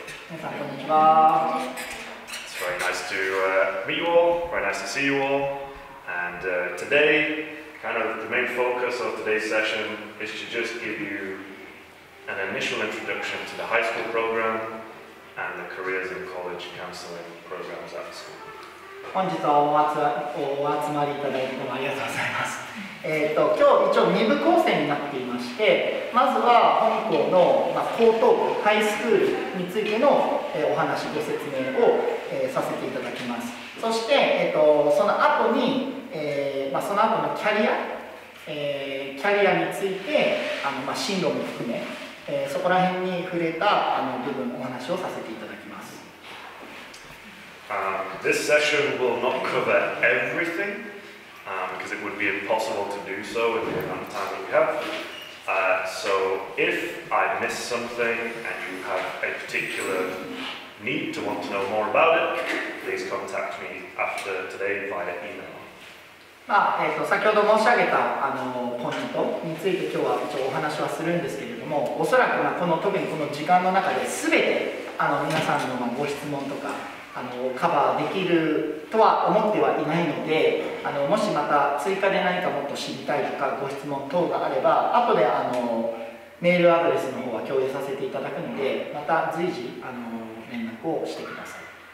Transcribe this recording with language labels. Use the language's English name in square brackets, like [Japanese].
[English] It's very nice to meet you all, very nice to see you all. And today, kind of the main focus of today's session is to just give you an initial introduction to the high school program and the careers and college counseling programs at the school. [Japanese] 本日はお集まりいただいてありがとうございます。今日一応2部構成になっていまして、まずは本校の、高等部、ハイスクールについての、お話、ご説明を、させていただきます。そして、その後に、その後のキャリア、キャリアについて、進路も含め、そこら辺に触れた部分、お話をさせていただきます。 [English] This session will not cover everything because it would be impossible to do so in the amount of time we have. So if I miss something and you have a particular need to want to know more about it, please contact me after today via email. [Japanese] 先ほど申し上げたポイントについて今日は一応お話はするんですけれども、おそらく特にこの時間の中で全て皆さんのご質問とかカバーできるとは思ってはいないので、もしまた追加で何かもっと知りたいとかご質問等があれば、後でメールアドレスの方は共有させていただくので、また随時連絡をしてください。